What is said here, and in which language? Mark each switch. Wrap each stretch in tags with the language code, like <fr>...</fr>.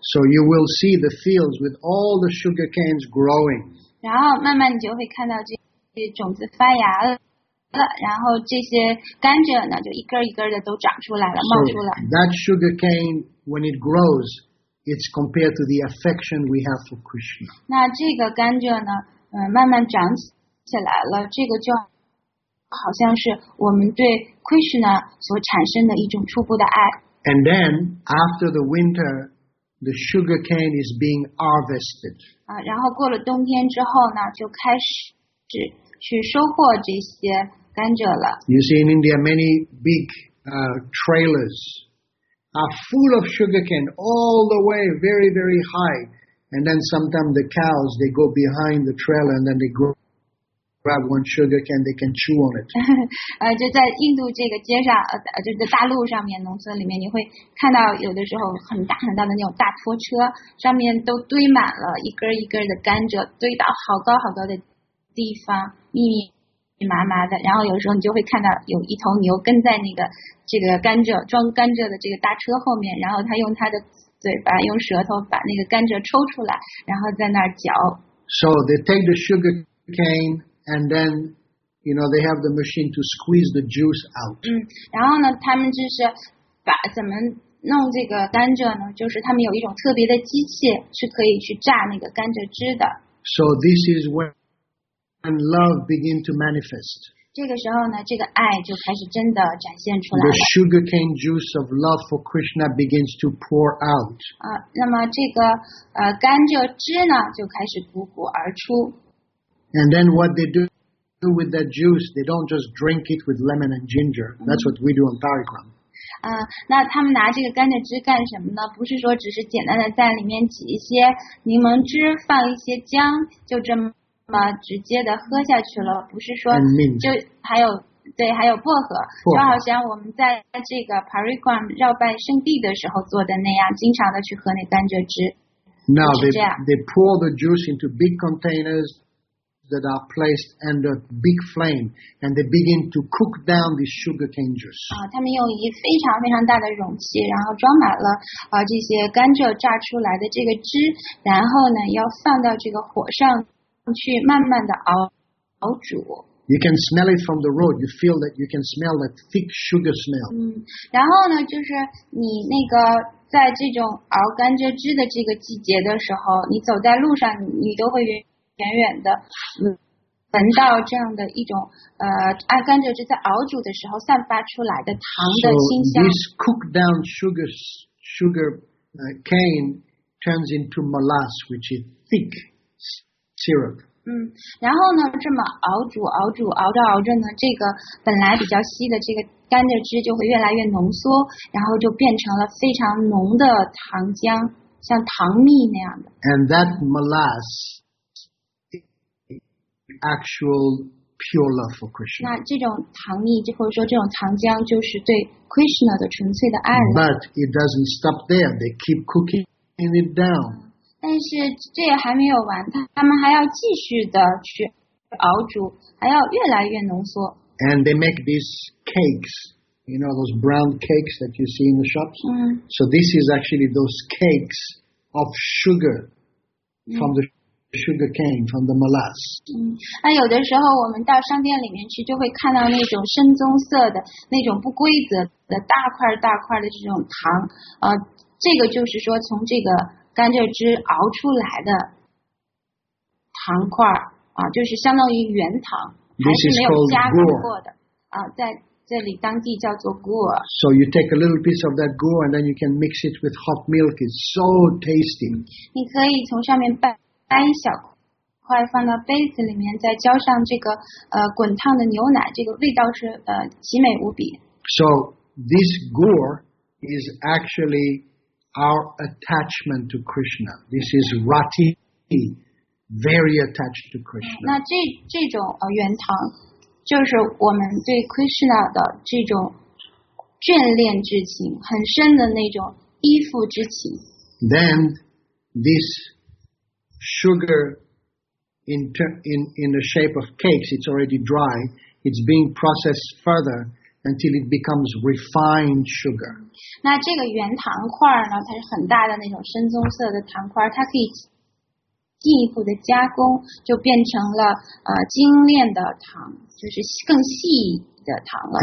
<en>So you will see the fields with all the sugar canes growing.</en> <zh>然后慢慢你就会看到这种子发芽了，然后这些甘蔗呢，就一根一根的都长出来了，冒出来。</zh> <en>So, that sugar cane, when it grows, it's compared to the affection we have for Krishna.</en> <zh>那这个甘蔗呢，慢慢长起来了，这个就好像是我们对 Krishna 所产生的一种初步的爱。</zh> <en>And then after the winter, the sugar cane is being harvested.</en> <zh>然后过了冬天之后呢，就开始。去收获这些甘蔗了。</zh> <en>You see in India many big trailers are full of sugarcane all the way very very high and then sometimes the cows they go behind the trailer and then they grow grab one sugar cane, they can chew on it.</en> <zh>就在印度这个街上，就是大路上面，农村里面，你会看到有的时候很大很大的那种大拖车，上面都堆满了一根一根的甘蔗，堆到好高好高的地方，密密麻麻的。然后有时候你就会看到有一头牛跟在那个这个甘蔗装甘蔗的这个大车后面，然后它用它的嘴巴用舌头把那个甘蔗抽出来，然后在那儿嚼。</zh> <en>So they take the sugar cane and then, you know, they have the machine to squeeze the juice out.</en> <zh>嗯，然后呢，他们就是把怎么弄这个甘蔗呢？就是他们有一种特别的机器是可以去榨那个甘蔗汁的。</zh> <en>So this is when love begin to manifest.</en> <zh>这个时候呢，这个爱就开始真的展现出来了。</zh> <en>The sugar cane juice of love for Krishna begins to pour out.</en> <zh>那么这个甘蔗汁呢，就开始汩汩而出。</zh> <en>And then what they do with that juice, they don't just drink it with lemon and ginger. That's what we do on Parikram.</en> <zh>那他们拿这个甘蔗汁干什么呢？不是说只是简单的在里面挤一些柠檬汁，放一些姜，就这么直接的喝下去了。不是说就还有对，还有薄荷，就好像我们在这个 Parikram 绕拜圣地的时候做的那样，经常的去喝那甘蔗汁。</zh> <en>Now they pour the juice into big containers. That are placed under big flame, and they begin to cook down the sugar cane juice.</en> <zh>他们用一非常非常大的容器，然后装满了这些甘蔗榨出来的这个汁，然后呢，要放到这个火上去，慢慢的熬煮。</zh> <en>You can smell it from the road. You feel that you can smell that thick sugar smell.</en> <zh>然后呢，就是你那个。在这种熬甘蔗汁的这个季节的时候，你走在路上，你都会远远的闻到这样的一种按甘蔗汁在熬煮的时候散发出来的糖的清香。</zh> <en>So this cooked down sugar cane turns into molasses, which is thick syrup.</en> <zh>然后呢，这么熬着呢，这个本来比较稀的这个甘蔗汁就会越来越浓缩，然后就变成了非常浓的糖浆，像糖蜜那样的。</zh> <en>And that molasses. Actual pure love for Krishna.</en> <zh>那这种糖蜜，或者说这种糖浆，就是对 Krishna 的纯粹的爱。</zh> <en>But it doesn't stop there. They keep cooking it down.</en> <zh>但是这也还没有完，他们还要继续的去熬煮，还要越来越浓缩。</zh> <en>And they make these cakes. You know those brown cakes that you see in the shops. So this is actually those cakes of sugar from the. Sugar cane from the molasses.</en> <zh>那有的时候我们到商店里面去，就会看到那种深棕色的、那种不规则的大块大块的这种糖。这个就是说从这个甘蔗汁熬出来的糖块就是相当于原糖，还是没有加工过的。在这里当地叫做 gur.</zh> <en>So you take a little piece of that gur, and then you can mix it with hot milk. It's so tasty.</en> <zh>你可以从上面拌。掰一小块放到杯子里面，再浇上这个滚烫的牛奶，这个味道是奇美无比。</zh> <en>So this gore is actually our attachment to Krishna. This is rati, very attached to Krishna.</en> <zh>那这种原糖就是我们对 Krishna 的这种眷恋之情，很深的那种依附之情。</zh> <en>Then this sugar in the shape of cakes, it's already dry, it's being processed further until it becomes refined sugar.</en> <zh>那这个原糖块呢，它是很大的那种深棕色的糖块，它可以进一步的加工，就变成了精炼的糖，就是更细的糖了。</zh>